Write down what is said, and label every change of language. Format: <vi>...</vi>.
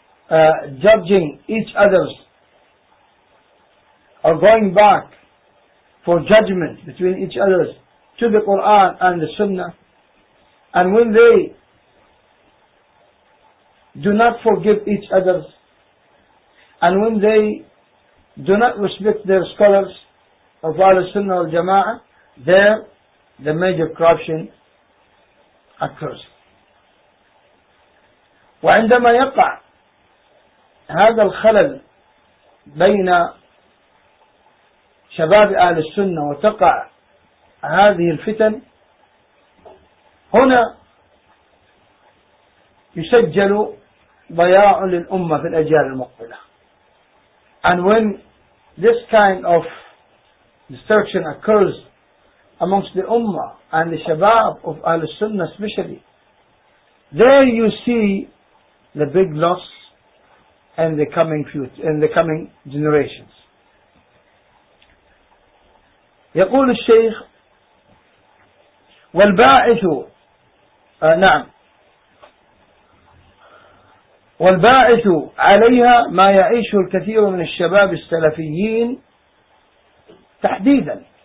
<en>judging each other's or going back for judgment between each other's to the Quran and the Sunnah, and when they do not forgive each other, and when they do not respect their scholars of Al-Sunnah al-Jama'ah, there the major corruption occurs.</en> <ar>وعندما يقع هذا الخلل بين شباب أهل السنة وتقع هذه الفتن، هنا يسجل ضياع للأمة في الأجيال المقبلة.</ar> <en>And when this kind of destruction occurs amongst the Ummah and the Shabab of Ahl Sunnah especially, there you see the big loss in the coming future, in the coming generations.</en> <ar>يقول الشيخ والباعث نعم والباعث عليها ما يعيشه الكثير من الشباب السلفيين تحديدا.</ar>